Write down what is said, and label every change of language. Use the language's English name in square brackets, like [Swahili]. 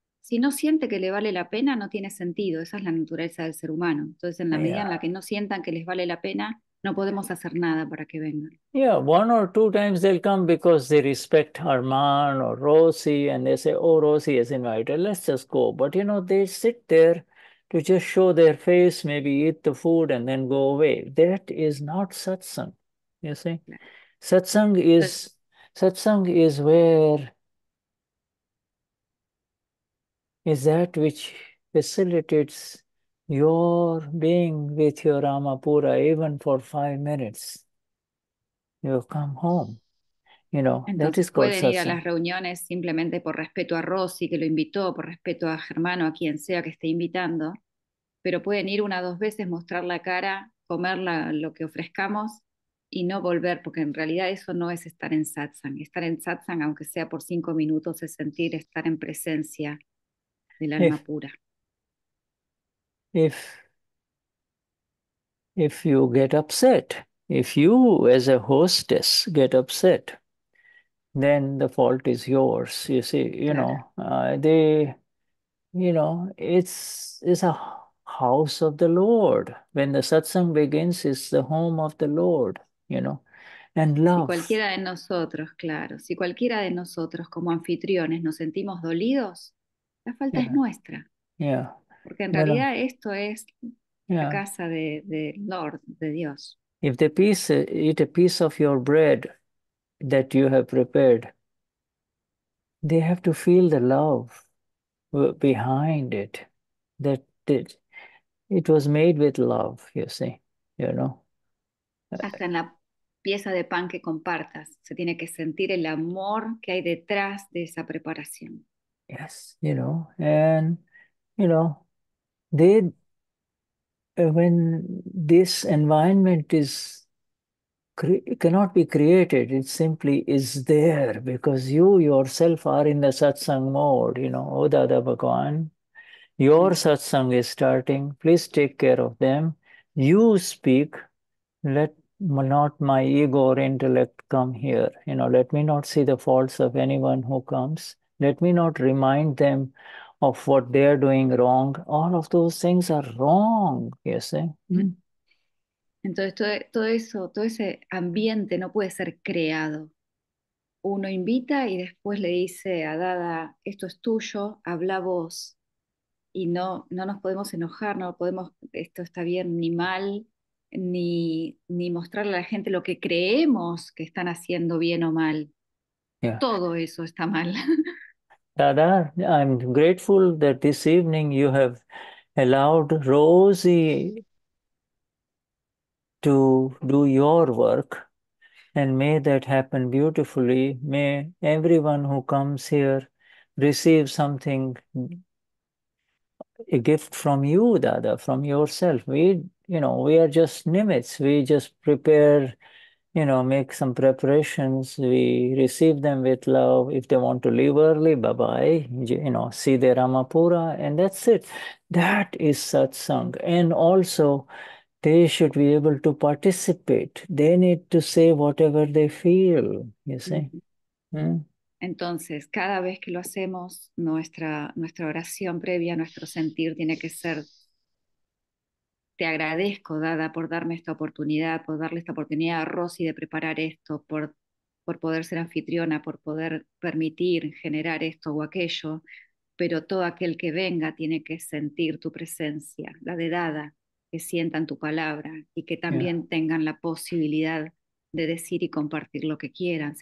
[Spanish] Si no siente que le vale la pena, no tiene sentido. Esa es la naturaleza del ser humano. Entonces, en la medida en la que no sientan que les vale la pena, no podemos hacer nada para que vengan. [English] Yeah, one or two times they'll come because they respect Armand or Rosie and they say, oh, Rosie is invited, let's just go. But, you know, they sit there to just show their face, maybe eat the food and then go away. That is not satsang, you see? Satsang is where is that which facilitates your being with your Amapura even for 5 minutes. You come home, you know. [Spanish] Entonces, [English] that is [Spanish] pueden [English] satsang. [Spanish] Ir a las reuniones simplemente por respeto a Rosy que lo invitó, por respeto a Germano, a quien sea que esté invitando, pero pueden ir una o dos veces, mostrar la cara, comer lo que ofrezcamos y no volver, porque en realidad eso no es estar en satsang. Estar en satsang, aunque sea por 5 minutos, es sentir estar en presencia del alma pura. [English] If you get upset, If you as a hostess get upset, then the fault is yours. You see, you know, they, you know, it's a house of the Lord. When the satsang begins, it's the home of the Lord, you know. And love. [Spanish] Si cualquiera de nosotros, claro, si cualquiera de nosotros como anfitriones nos sentimos dolidos, la falta es nuestra. [English] Yeah. [Spanish] Porque en realidad esto es la casa de Lord, de Dios. [English] If the piece, eat a piece of your bread that you have prepared, they have to feel the love behind it, that it was made with love, you see, you know. [Spanish] Hasta en la pieza de pan que compartas, se tiene que sentir el amor que hay detrás de esa preparación. [English] Yes, you know, and, you know, they, when this environment is cannot be created, it simply is there because you yourself are in the satsang mode, you know, O Dada Bhagwan, your satsang is starting, please take care of them, you speak, let not my ego or intellect come here, you know, let me not see the faults of anyone who comes, let me not remind them of what they're doing wrong, all of those things are wrong, you see. [Spanish] Entonces todo ese ambiente no puede ser creado. Uno invita y después le dice a Dada, esto es tuyo, habla vos. Y no nos podemos enojar, no podemos, esto está bien ni mal, ni mostrarle a la gente lo que creemos que están haciendo bien o mal. [English] Yeah. [Spanish] Todo eso está mal. [English] Dada, I'm grateful that this evening you have allowed Rosie to do your work, and may that happen beautifully. May everyone who comes here receive something, a gift from you, Dada, from yourself. We, you know, we are just nimits. We just prepare, you know, make some preparations. We receive them with love. If they want to leave early, bye-bye. You know, see their Ramapura, and that's it. That is satsang. And also, they should be able to participate. They need to say whatever they feel, you see. Mm-hmm. Mm? [Spanish] Entonces, cada vez que lo hacemos, nuestra oración previa, nuestro sentir tiene que ser, te agradezco, Dada, por darme esta oportunidad, por darle esta oportunidad a Rosy de preparar esto, por poder ser anfitriona, por poder permitir generar esto o aquello, pero todo aquel que venga tiene que sentir tu presencia, la de Dada, que sientan tu palabra y que también tengan la posibilidad de decir y compartir lo que quieran.